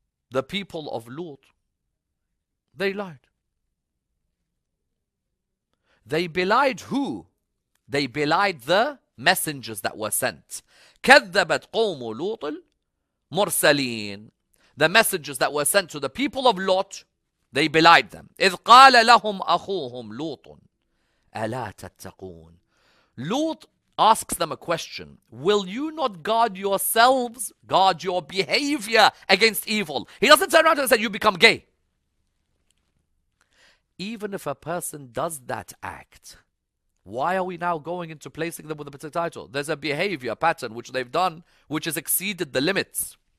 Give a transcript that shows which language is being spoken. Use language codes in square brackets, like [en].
[en] The people of Lut, they lied. They belied who? They belied the messengers that were sent. [ar] كَذَّبَتْ قَوْمُ لُوطِ الْمُرْسَلِينَ. The messengers that were sent to the people of Lot, they belied them. إِذْ قَالَ لَهُمْ أَخُوهُمْ لُوطٌ أَلَا تَتَّقُونَ. Lut [en] asks them a question. Will you not guard yourselves, guard your behavior against evil? He doesn't turn around and say, you become gay. Even if a person does that act, why are we now going into placing them with a particular title? There's a behavior pattern which they've done, which has exceeded the limits.